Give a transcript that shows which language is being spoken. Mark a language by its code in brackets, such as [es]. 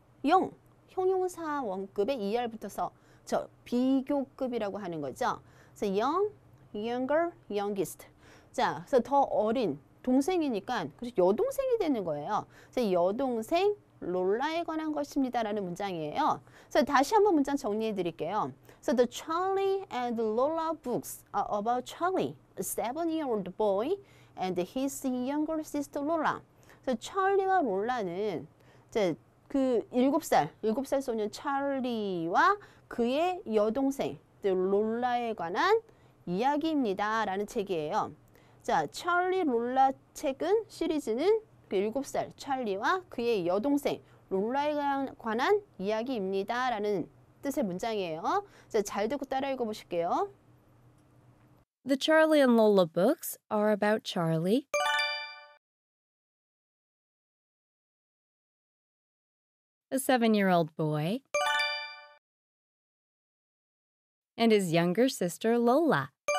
[ko] 형, 형용사 원급에 er 붙어서 저 비교급이라고 하는 거죠. [en] 그래서 young, younger, youngest. [ko] 자, 그래서 더 어린 동생이니까 그래서 여동생이 되는 거예요. 그래서 여동생 롤라에 관한 것입니다라는 문장이에요. 그래서 다시 한번 문장 정리해 드릴게요. [en] So the Charlie and Lola books are about Charlie, a seven-year-old boy, and his younger sister Lola. [ko] 그래서 찰리와 롤라는 이제 그 일곱 살 소년 찰리와 그의 여동생 롤라에 관한 이야기입니다라는 책이에요. 자, 찰리 롤라 책은 시리즈는 그 일곱 살 찰리와 그의 여동생 롤라에 관한 이야기입니다라는 뜻의 문장이에요. 자, 잘 듣고 따라 읽어 보실게요. [en] The Charlie and Lola books are about Charlie. A seven-year-old boy and his younger sister Lola.